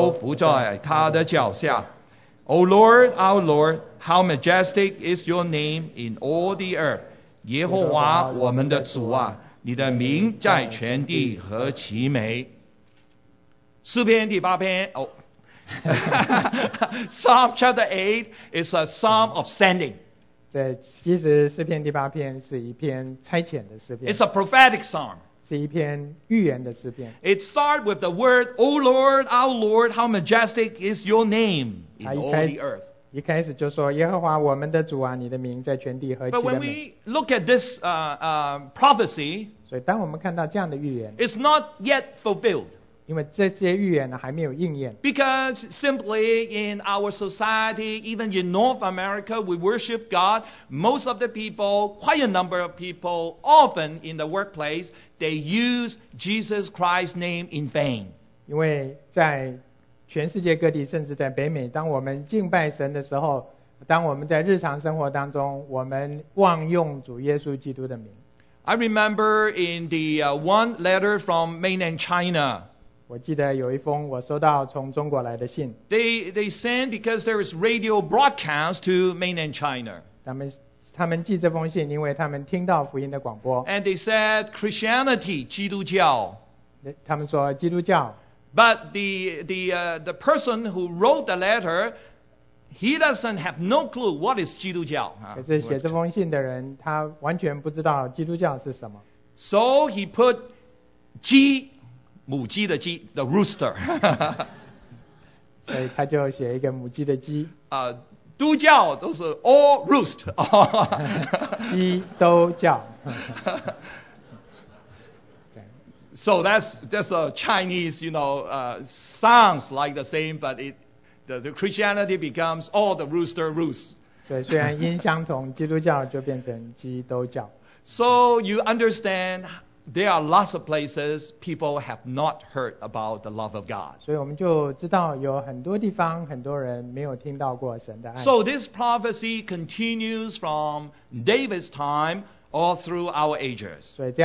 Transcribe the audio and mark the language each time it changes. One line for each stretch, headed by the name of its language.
Chinese: 你派他管理你所造的，使万物就是一切牛羊、田野的兽、空中的鸟、海里的鱼，凡经行海道的，都伏在他的脚下。
English: O Lord, our Lord, how majestic is your name in all the earth.
Chinese: 耶和华我们的主啊，你的名在全地何其美。诗篇第八篇。
English: Psalm chapter 8 is a psalm of sending.
Chinese: 对，其实诗篇第八篇是一篇差遣的诗篇。
English: It's a prophetic psalm.
Chinese: 是一篇预言的诗篇。
English: It starts with the word, O Lord, our Lord, how majestic is your name in all the earth.
Chinese: 一开始就说，耶和华我们的主啊，你的名在全地何其美。
English: But when we look at this prophecy,
Chinese: 所以当我们看到这样的预言,
English: it's not yet fulfilled.
Chinese: 因为这些预言还没有应验。
English: Because simply in our society, even in North America, we worship God. Most of the people, quite a number of people, often in the workplace, they use Jesus Christ's name in vain.
Chinese: 因为在全世界各地，甚至在北美，当我们敬拜神的时候，当我们在日常生活当中，我们妄用主耶稣基督的名。
English: I remember in the one letter from mainland China.
Chinese: 我记得有一封我收到从中国来的信。
English: They send because there is radio broadcast to mainland China.
Chinese: 他们寄这封信，因为他们听到福音的广播。
English: And they said Christianity, 基督教。
Chinese: 他们说基督教。
English: But the person who wrote the letter, he doesn't have no clue what is 基督教。
Chinese: 可是写这封信的人，他完全不知道基督教是什么。
English: So he put
Chinese: 母鸡的鸡,
English: the rooster.
Chinese: 所以他就写一个母鸡的鸡。都教都是
English: all roost.
Chinese: 鸡都叫。
English: So that's a Chinese, you know, sounds like the same, but the Christianity becomes all the rooster roost.
Chinese: 所以虽然音相同, 基督教就变成鸡都叫。
English: So you understand, there are lots of places people have not heard about the love of God. So this prophecy continues from David's time all through our ages.